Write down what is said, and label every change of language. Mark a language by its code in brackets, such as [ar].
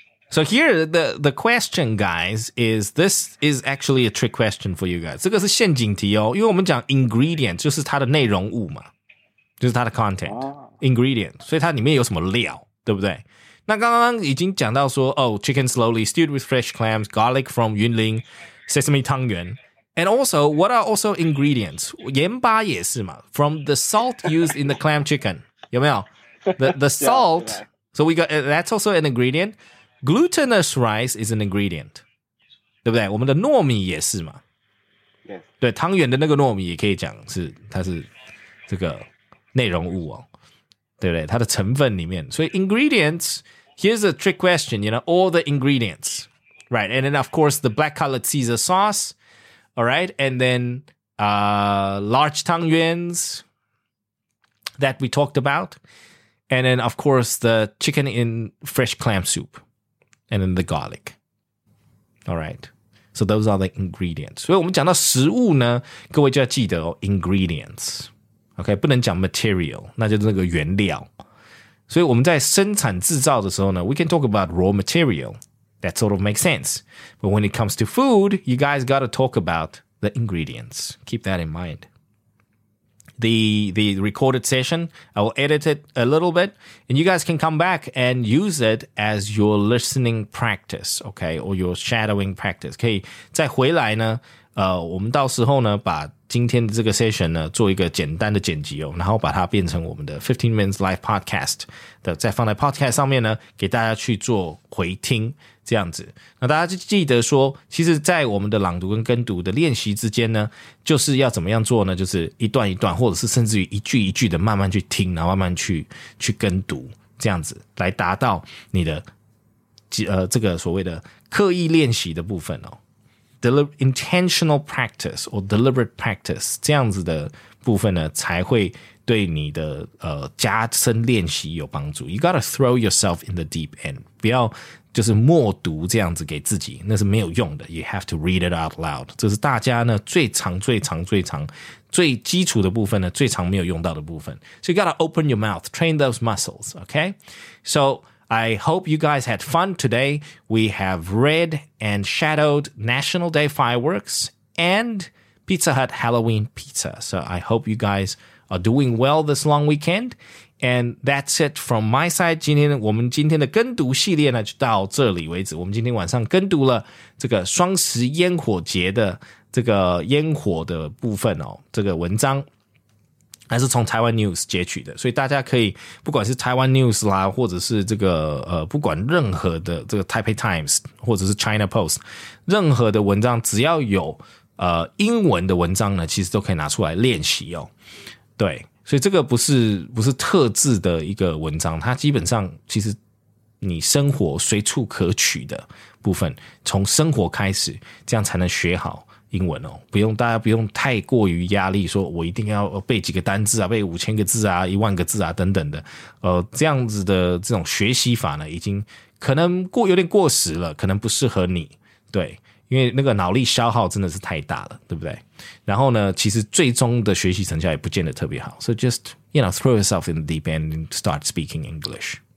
[en] So here, the question, guys, is this is actually a trick question for you guys. [zh] 这个是陷阱题哦,因为我们讲ingredient,就是它的内容物嘛,就是它的content, ingredient,所以它里面有什么料,对不对? 那刚刚已经讲到说, [en] chicken slowly stewed with fresh clams, garlic from Yunlin, sesame 汤圆, and also, what are also ingredients? [zh] 盐巴也是嘛, [en] from the salt used in the clam chicken, [zh] 有没有? [en] The salt, so we got that's also an ingredient. Glutinous rice is an ingredient. [zh] 对不对?我们的糯米也是嘛? [en] Yes. [zh] 对, 汤圆的那个糯米也可以讲是, 它是这个内容物哦。对不对？它的成分里面，所以 [en] ingredients, here's a trick question, you know, all the ingredients, right? And then of course the black colored Caesar sauce, all right? And then large tang yuans that we talked about. And then of course the chicken in fresh clam soup and then the garlic. All right. So those are the ingredients. [zh] 所以我们讲到食物呢，各位就要记得哦 ,ingredients. OK, 不能讲 material, 那就是那个原料。所以我们在生产制造的时候呢 , [en] we can talk about raw material. That sort of makes sense. But when it comes to food, you guys gotta talk about the ingredients. Keep that in mind. The recorded session, I will edit it a little bit, and you guys can come back and use it as your listening practice, okay, or your shadowing practice. [zh] 可以再回来呢，我们到时候呢，把今天的这个 session 呢，做一个简单的剪辑哦，然后把它变成我们的15 Minutes Live Podcast 的，再放在 podcast 上面呢，给大家去做回听，这样子。那大家就记得说，其实在我们的朗读跟跟读的练习之间呢，就是要怎么样做呢？就是一段一段，或者是甚至于一句一句的慢慢去听，然后慢慢去跟读，这样子来达到你的这个所谓的刻意练习的部分哦。 [en] Intentional practice or deliberate practice [zh] 这样子的部分呢，才会对你的加深练习有帮助。 [en] You gotta throw yourself in the deep end， [zh] 不要就是默读这样子给自己，那是没有用的。 [en] You have to read it out loud， [zh] 这是大家呢最常最基础的部分呢，最常没有用到的部分。 [en] So you gotta open your mouth, train those muscles. Okay, so. I hope you guys had fun today. We have read and shadowed National Day fireworks and Pizza Hut Halloween pizza. So I hope you guys are doing well this long weekend. And that's it from my side. [zh] 我们今天的跟读系列呢就到这里为止。我们今天晚上跟读了这个双十烟火节的这个烟火的部分哦，这个文章。还是从台湾 news 截取的，所以大家可以不管是台湾 news 啦，或者是这个不管任何的这个 Taipei Times 或者是 China Post 任何的文章，只要有英文的文章呢，其实都可以拿出来练习哦。对，所以这个不是特制的一个文章，它基本上其实你生活随处可取的部分，从生活开始，这样才能学好英文哦，不用大家不用太过于压力，说我一定要背几个单字啊，背5000个字啊，10000个字啊等等的，这样子的这种学习法呢，已经可能有点过时了，可能不适合你，对，因为那个脑力消耗真的是太大了，对不对？然后呢，其实最终的学习成效也不见得特别好 ， [en] so just you know throw yourself in the deep end and start speaking English。